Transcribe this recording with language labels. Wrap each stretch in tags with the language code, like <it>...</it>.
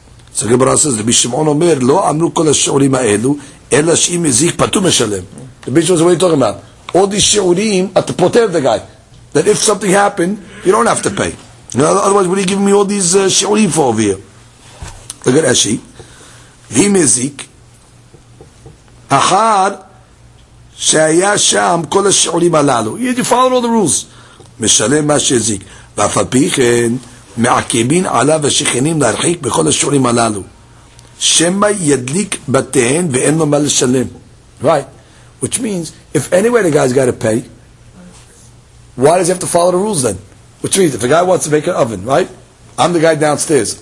<he>So Gemara says,</he> <en>Rabbi Shimon omer, lo amru kol ha-shi'urim ha-elu, ela shi'im hezik, patu mishalem. Rabbi Shimon says, what are you talking about? All these shi'urim are to protect the guy. That if something happened, you don't have to pay. You know, otherwise, what are you giving me all these shi'urim for over here? Look at Ashi.</en> <he>V'im hezik, achar, שהיה שם כל השיעורים הללו.</he> <en>You follow all the rules.</en> <he>משלם מה שהזיק. ואף על פי כן, מעקבין עליו השכנים להרחיק בכל השיעורים הללו. שמה ידליק בתיהן ואין לו מה לשלם.</he> <en>Right. Which means, if anyway the guy's got to pay, why does he have to follow the rules then? Which means, if a guy wants to make an oven, right? I'm the guy downstairs.</en>